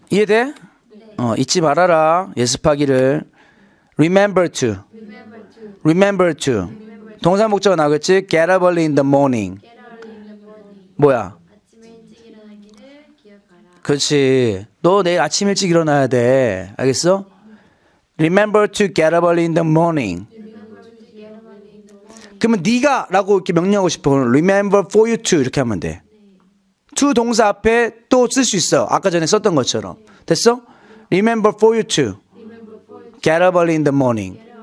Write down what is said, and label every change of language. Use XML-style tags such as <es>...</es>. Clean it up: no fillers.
<ko>이해돼? 잊지 말아라. 예습하기를. Remember to.</ko> <en>Remember to. Remember to. 동사 목적어 나오겠지? Get up early in the morning. Get up early in the morning.</en> <ko>뭐야? 아침에 일찍 일어나기를 기억하라. 그렇지. 너 내일 아침 일찍 일어나야 돼. 알겠어?</ko> <en>Remember to get up early in the morning.</en> <ko>그러면 네가 라고 이렇게 명령하고 싶어.</ko> <en>Remember for you to 이렇게 하면 돼.</en> <ko>to 동사 앞에 또 쓸 수 있어. 아까 전에 썼던 것처럼. 됐어?</ko> <en>Remember for you to get up early in the morning.</en>